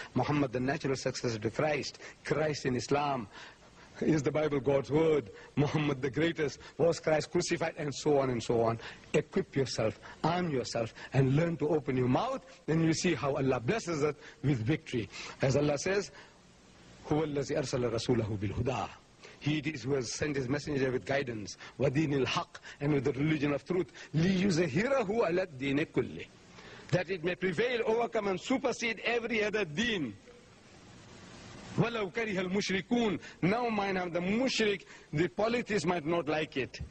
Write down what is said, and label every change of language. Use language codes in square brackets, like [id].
[en] Muhammad, the natural successor to Christ. Christ in Islam. Is the Bible God's word? Muhammad the greatest. Was Christ crucified? And so on and so on. Equip yourself. Arm yourself. And learn to open your mouth. Then you see how Allah blesses us with victory. As Allah says, [ar] هُوَ الَّذِي أَرْسَلَ رَسُولَهُ بِالْهُدَىٰ. [en] He it is who has sent his messenger with guidance, [ar] وَدِينِ الْحَقِّ, [en] and with the religion of truth. [ar] لِيُزَهِرَهُ عَلَى الدِّينِ كُلِّ, [en] that it may prevail, overcome, and supersede every other deen. [ar] وَلَوْ كَرِهَ الْمُشْرِكُونَ. [en] Now mind him, the mushrik, the polytheist might not like it.